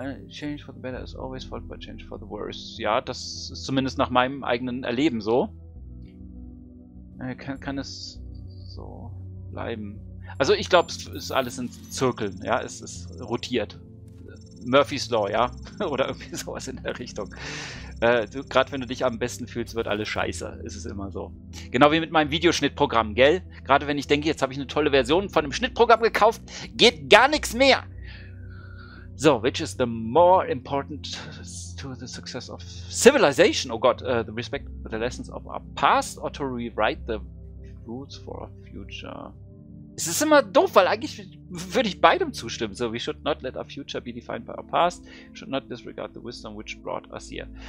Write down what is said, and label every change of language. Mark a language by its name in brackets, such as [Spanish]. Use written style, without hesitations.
[English] Change for the better is always followed by change for the worse. [German] Ja, das ist zumindest nach meinem eigenen Erleben so. Kann es so bleiben? Also ich glaube, es ist alles in Zirkeln, ja, es ist rotiert. Murphy's Law, ja, oder irgendwie sowas in der Richtung. Gerade wenn du dich am besten fühlst, wird alles scheiße. Ist es immer so. Genau wie mit meinem Videoschnittprogramm, gell? Gerade wenn ich denke, jetzt habe ich eine tolle Version von einem Schnittprogramm gekauft, geht gar nichts mehr. [English] So, which is the more important to the success of civilization? [German] Oh Gott, [English] the respect for the lessons of our past or to rewrite the rules for our future? [German] Es ist immer doof, weil eigentlich würde ich beidem zustimmen. [English] So, we should not let our future be defined by our past. We should not disregard the wisdom which brought us here.